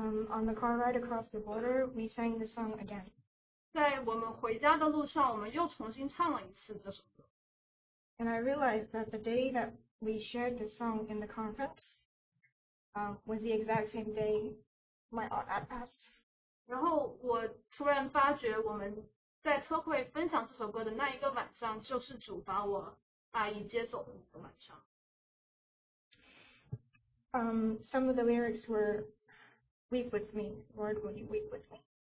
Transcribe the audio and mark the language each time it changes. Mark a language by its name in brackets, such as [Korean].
[English] On the car ride across the border, we sang the song again. [Chinese] 在我们回家的路上，我们又重新唱了一次这首歌。 [English] And I realized that the day that we shared the song in the conference was the exact same day my aunt had passed. [Chinese] 然后我突然发觉，我们在特会分享这首歌的那一个晚上，就是主把我阿姨接走的那个晚上。 [English] Some of the lyrics were, Weep with me, Lord, will you weep with me?